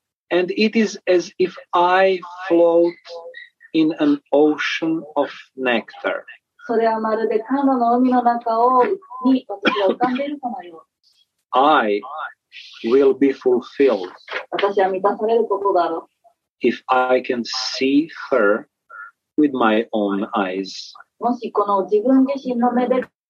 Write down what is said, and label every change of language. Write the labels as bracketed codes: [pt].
[en] And it is as if I float in an ocean of nectar. [ja] それはまるで彼女の海の中をに私が浮かんでいるかのよう。 [en] I will be fulfilled. [ja] 私は満たされることだろう。 [en] If I can see her with my own eyes. [ja] もしこの自分自身の目で